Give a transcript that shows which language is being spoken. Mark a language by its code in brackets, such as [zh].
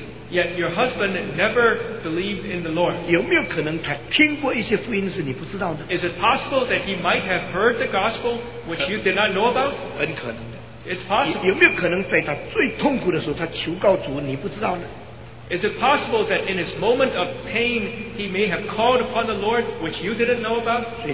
[en] Yet your husband never believed in the Lord. Is it possible that he might have heard the gospel which you did not know about? It's possible. [zh] 有没有可能在他最痛苦的时候他求告主你不知道呢? [en] Is it possible that in his moment of pain he may have called upon the Lord which you didn't know about?